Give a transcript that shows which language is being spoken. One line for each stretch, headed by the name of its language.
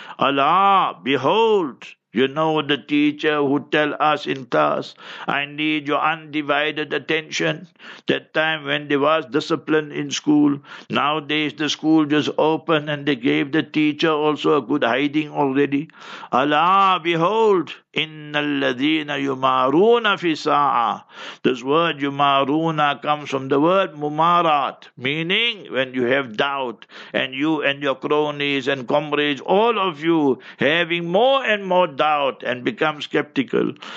English: Allah, behold, you know the teacher who tell us in class, I need your undivided attention. That time when there was discipline in school, nowadays the school just opened and they gave the teacher also a good hiding already. Allah, behold,
Arabic: إِنَّ الَّذِينَ يُمَارُونَ فِي سَاعَةٍ.
English: This word yumaruna comes from the word mumarat, meaning when you have doubt, and you and your cronies and comrades, all of you having more and more doubt and become skeptical.